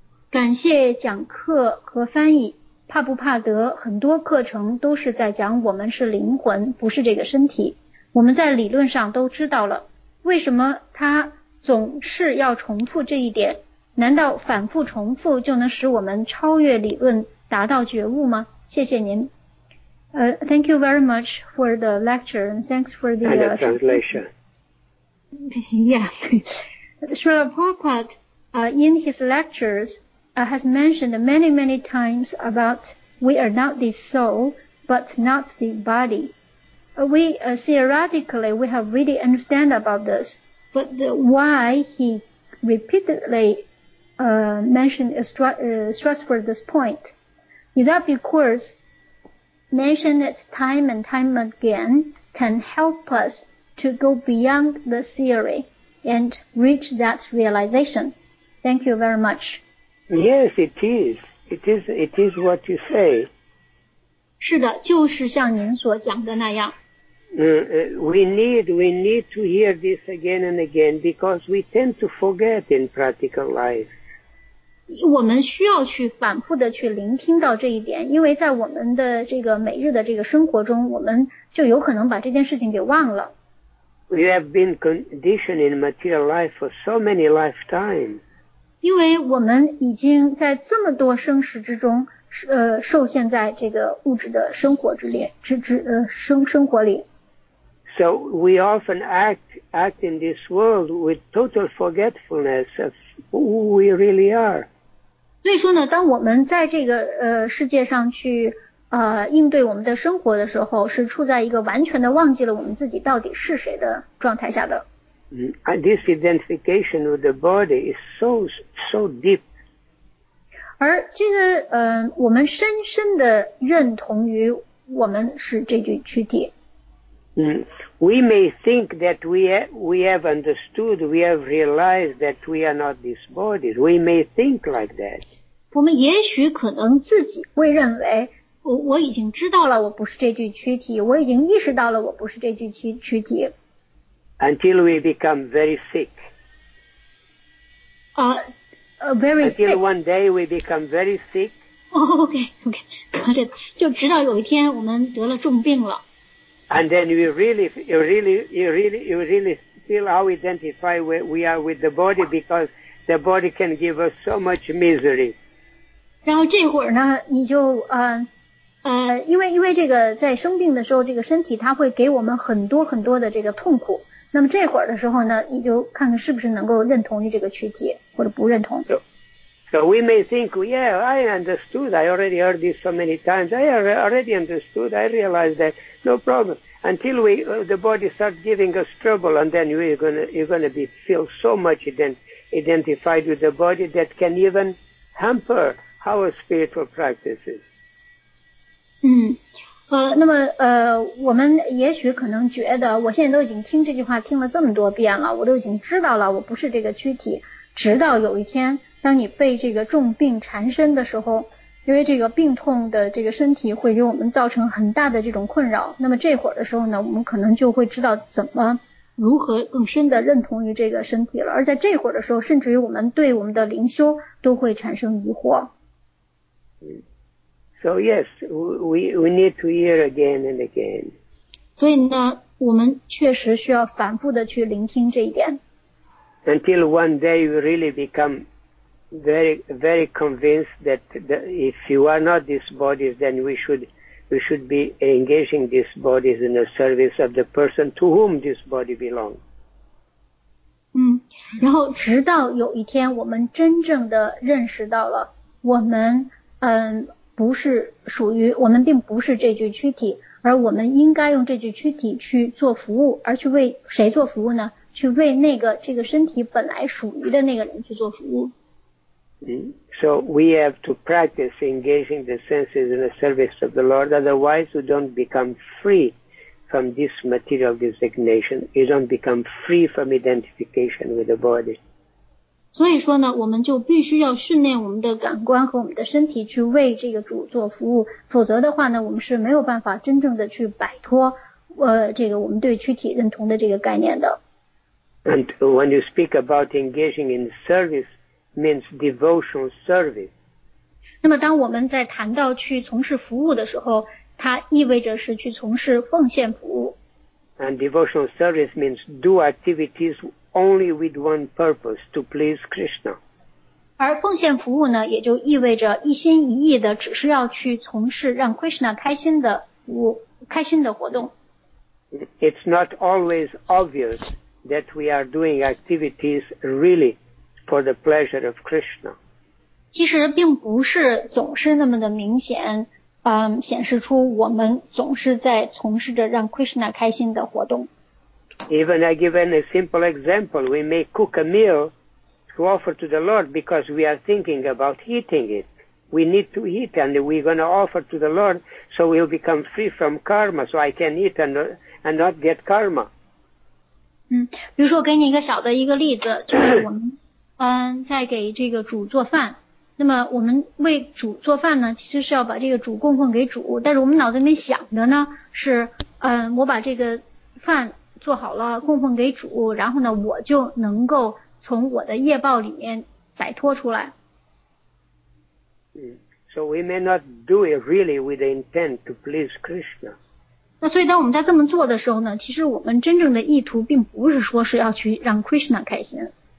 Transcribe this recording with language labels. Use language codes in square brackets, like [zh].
[zh] 感谢讲课和翻译，帕布帕德很多课程都是在讲我们是灵魂，不是这个身体。我们在理论上都知道了，为什么他总是要重复这一点？难道反复重复就能使我们超越理论达到觉悟吗谢谢您、 [en] Thank you very much for the lecture and thanks for the translation Yeah Srila Prabhupada in his lectures has mentioned many many times about we are not the soul but not the body we theoretically we have really understand about this but why he repeatedlymstress for this point. Is that because mentioning it time and time again can help us to go beyond the theory? and reach that realization. Thank you very much. Yes, it is. It is what you say. [zh] 是的，就是像您所讲的那样。 [en] We need to hear this again and again because we tend to forget in practical life. [zh] 我们需要去反复的去聆听到这一点，因为在我们的这个每日的这个生活中，我们就有可能把这件事情给忘了。 [en] We have been conditioned in material life for so many lifetimes. [zh] 因为我们已经在这么多生时之中，受限在这个物质的生活之列，生活里。 [en] So we often act in this world with total forgetfulness of who we really are. [zh] 所以说呢，当我们在这个世界上去应对我们的生活的时候，是处在一个完全的忘记了我们自己到底是谁的状态下的。 [en] This identification with the body is so deep. [zh] 而这个我们深深的认同于我们是这具躯体。 [en] We may think that we have understood, we have realized that we are not this body. We may think like that. [zh] 我们也许可能自己会认为 我已经知道了我不是这具躯体，我已经意识到了我不是这具躯体。 [en] Until we become very sick. Very sick. Until one day we become very sick. Okay, got it. [zh] 就直到有一天我们得了重病了。 [en] And then you really feel how identified we are with the body because the body can give us so much misery. [zh] 然后这会儿呢，你就因为这个在生病的时候，这个身体它会给我们很多很多的这个痛苦。那么这会儿的时候呢，你就看看是不是能够认同于这个躯体或者不认同。 [en] So we may think, yeah, I understood. I already heard this so many times. I already understood. I realized that. No problem. Until the body starts giving us trouble, and then you're gonna feel so much identified with the body that can even hamper our spiritual practices. [zh] 那么我们也许可能觉得，我现在都已经听这句话听了这么多遍了，我都已经知道了，我不是这个躯体。直到有一天，当你被这个重病缠身的时候，因为这个病痛的这个身体会给我们造成很大的这种困扰，那么这会儿的时候呢，我们可能就会知道怎么如何更深的认同于这个身体了。而在这会儿的时候，甚至于我们对我们的灵修都会产生疑惑。 [en] So yes, we need to hear again and again. [zh] 所以呢，我们确实需要反复的去聆听这一点。 [en] Until one day you really become very, very convinced that if you are not this body, then we should be engaging this body in the service of the person to whom this body belongs. [zh] 然后直到有一天我们真正的认识到了我们不是属于我们并不是这具躯体，而我们应该用这具躯体去做服务，而去为谁做服务呢？去为那个这个身体本来属于的那个人去做服务。 [en] So we have to practice engaging the senses in the service of the Lord, otherwise you don't become free from this material designation. You don't become free from identification with the body. [zh] 所以说呢，我们就必须要训练我们的感官和我们的身体去为这个主做服务，否则的话呢，我们是没有办法真正的去摆脱这个我们对躯体认同的这个概念的。 [en] And when you speak about engaging in service, means devotional service. [zh] 那么当我们在谈到去从事服务的时候，它意味着是去从事奉献服务。 [en] And devotional service means do activities only with one purpose, to please Krishna. [zh] 而奉献服务呢，也就意味着一心一意的只是要去从事让 Krishna 开心的服务，开心的活动。 [en] It's not always obvious. That we are doing activities really for the pleasure of Krishna. [zh] 其实并不是总是那么的明显，显示出我们总是在从事着让 Krishna 开心的活动。 [en] Even I give a simple example, we may cook a meal to offer to the Lord because we are thinking about eating it. We need to eat and we're going to offer to the Lord so we'll become free from karma, so I can eat and not get karma. [zh] 比如说给你一个小的一个例子，就是我们在给这个主做饭，那么我们为主做饭呢，其实是要把这个主供奉给主，但是我们脑子里面想的呢是我把这个饭做好了供奉给主，然后呢我就能够从我的业报里面摆脱出来。 [en] So we may not do it really with the intent to please Krishna. [zh] 那所以当我们在这么做的时候呢，其实我们真正的意图并不是说是要去让 Krishna 开心。